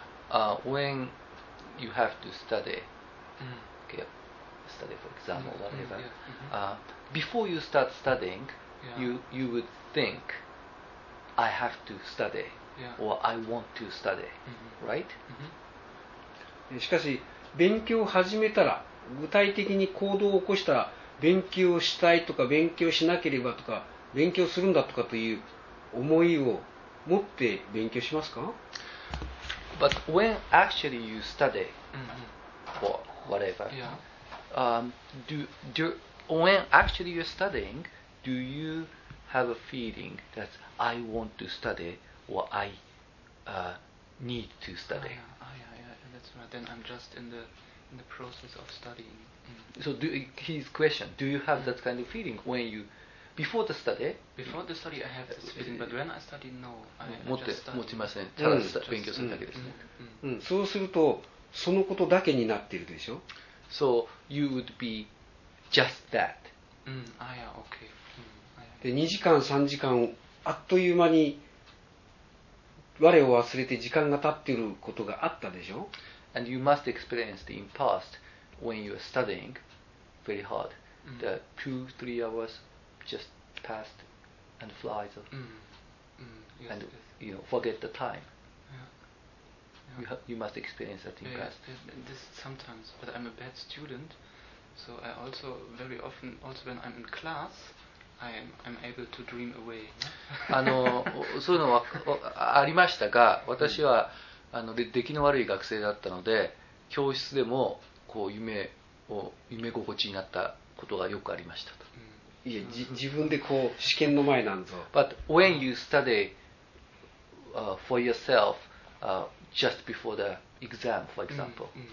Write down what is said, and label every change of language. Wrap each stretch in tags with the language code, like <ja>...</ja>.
<en>When you have to study, okay, study for example, whatever, before you start studying, you would think, I have to study, or I want to study, right?</en> <ja>しかし、勉強を始めたら、具体的に行動を起こしたら、勉強したいとか勉強しなければとか勉強するんだとかという思いを持って勉強しますか？</ja> <en>But when actually you study or whatever, when actually you're studying, do you have a feeling that I want to study or I need to study? That's right. Then I'm just in the process of studying. So do, his question, do you have that kind of feeling when you, before the study? Before the study, I have this feeling, but when I study, no. I just study.</en> <ja>持ちません。ただ勉強するだけですね。そうすると、そのことだけになっているでしょ。</ja> <en>So you would be just that. Okay.</en> <ja>で、2時間、3時間、あっという間に我を忘れて時間が経っていることがあったでしょ。</ja> <en>And you must experience the impasseWhen you are studying very hard, the 2-3 hours just passed and flies, and you know, forget the time. You must experience that in class. This sometimes, but I'm a bad student, so I also very often, also when I'm in class, I'm able to dream away.</en> <ja>あの、そういうのはありましたが、私はあの、出来の悪い学生だったので、教室でもこう夢を夢心地になったことがよくありましたと。いや、自分でこう試験の前なんぞ。</ja> <en>But when you study for yourself just before the exam, for example.</en>